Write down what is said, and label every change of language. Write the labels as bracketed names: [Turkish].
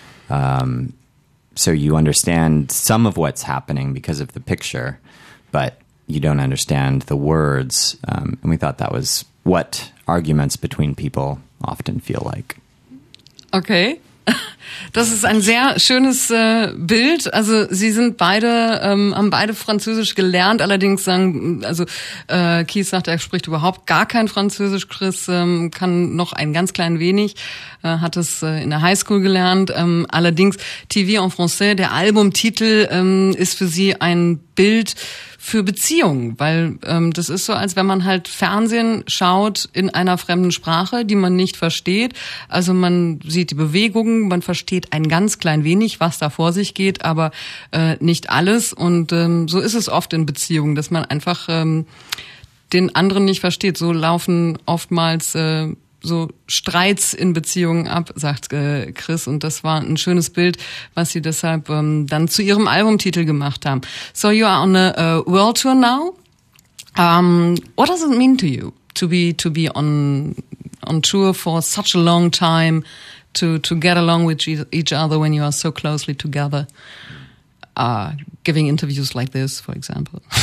[English] So you understand some of what's happening because of the picture, but you don't understand the words. And we thought that was what arguments between people often feel like. [German] Okay. Das ist ein sehr schönes Bild. Also Sie sind beide, haben beide Französisch gelernt. Allerdings Keith sagt, er spricht überhaupt gar kein Französisch. Chris kann noch ein ganz klein wenig, hat es in der Highschool gelernt. Allerdings TV en français, der Albumtitel, ist für Sie ein Bild für Beziehungen. Weil das ist so, als wenn man halt Fernsehen schaut in einer fremden Sprache, die man nicht versteht. Also man sieht die Bewegungen, man versteht ein ganz klein wenig, was da vor sich geht, aber nicht alles. Und so ist es oft in Beziehungen, dass man einfach den anderen nicht versteht. So laufen oftmals so Streits in Beziehungen ab, sagt Chris. Und das war ein schönes Bild, was sie deshalb dann zu ihrem Albumtitel gemacht haben. [English] So you are on a world tour now. What does it mean to you to be on tour for such a long time, to get along with each other when you are so closely together, giving interviews like this, for example?